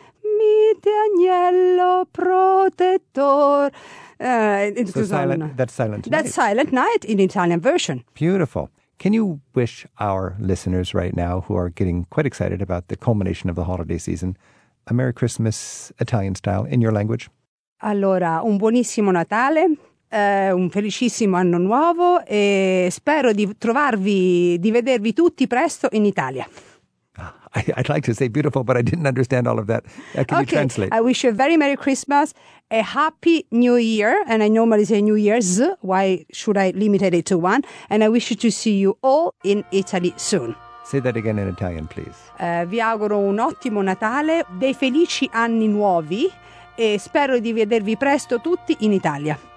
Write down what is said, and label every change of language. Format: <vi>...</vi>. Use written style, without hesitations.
<it>Mite agnello protettor.</it> <en>That's Silent Night. That's Silent Night in Italian version. Beautiful. Can you wish our listeners right now, who are getting quite excited about the culmination of the holiday season, a Merry Christmas Italian style in your language?</en> <it>Allora, un buonissimo Natale, un felicissimo anno nuovo e spero di trovarvi, di vedervi tutti presto in Italia.</it> <en>I'd like to say beautiful, but I didn't understand all of that. Can you translate? I wish you a very Merry Christmas, a Happy New Year, and I normally say New Year's, why should I limit it to one? And I wish you to see you all in Italy soon. Say that again in Italian, please.</en> <it>Vi auguro un ottimo Natale, dei felici anni nuovi, e spero di vedervi presto tutti in Italia.</it>